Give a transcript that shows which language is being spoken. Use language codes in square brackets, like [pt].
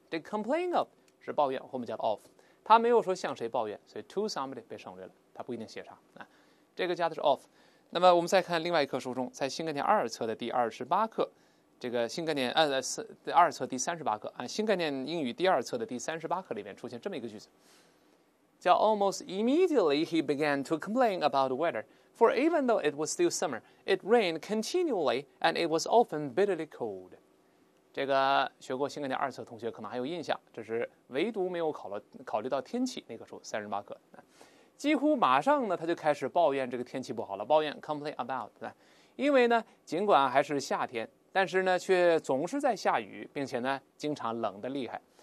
[zh] 这 complain of 是抱怨，后面叫 of， 他没有说向谁抱怨，所以 to somebody 被省略了，他不一定写上啊。这个加的是 of。那么我们再看另外一课书中，在新概念二册的第28课，这个新概念二册第38课啊，新概念英语第二册的第38课里面出现这么一个句子。 [en] 叫 almost immediately he began to complain about the weather, for even though it was still summer, it rained continually and it was often bitterly cold. [zh] 这个学过新概念二册同学可能还有印象，这是唯独没有考虑到天气那个时候38课。几乎马上呢他就开始抱怨这个天气不好了，抱怨 complain about， 对吧？因为呢尽管还是夏天，但是呢却总是在下雨，并且呢经常冷得厉害。